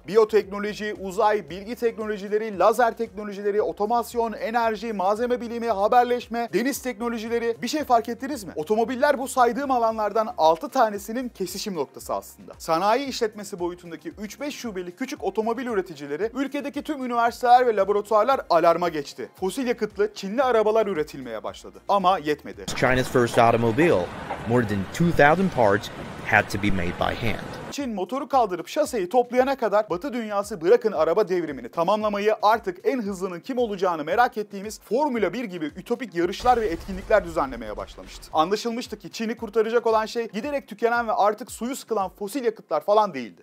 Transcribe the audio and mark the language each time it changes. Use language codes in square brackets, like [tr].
[tr] Biyoteknoloji, uzay, bilgi teknolojileri, lazer teknolojileri, otomasyon, enerji, malzeme bilimi, haberleşme, deniz teknolojileri. Bir şey fark ettiniz mi? Otomobiller bu saydığım alanlardan 6 tanesinin kesişim noktası aslında. Sanayi işletmesi boyutundaki 3-5 şubeli küçük otomobil üreticileri, ülkedeki tüm üniversiteler ve laboratuvarlar alarma geçti. Fosil yakıtlı Çinli arabalar üretilmeye yapmaya başladı. Ama yetmedi. [en] China's first automobile, more than 2,000 parts had to be made by hand. [tr] Çin motoru kaldırıp şaseyi toplayana kadar Batı dünyası bırakın araba devrimini tamamlamayı, artık en hızlının kim olacağını merak ettiğimiz Formula 1 gibi ütopik yarışlar ve etkinlikler düzenlemeye başlamıştı. Anlaşılmıştı ki Çin'i kurtaracak olan şey giderek tükenen ve artık suyu sıkılan fosil yakıtlar falan değildi.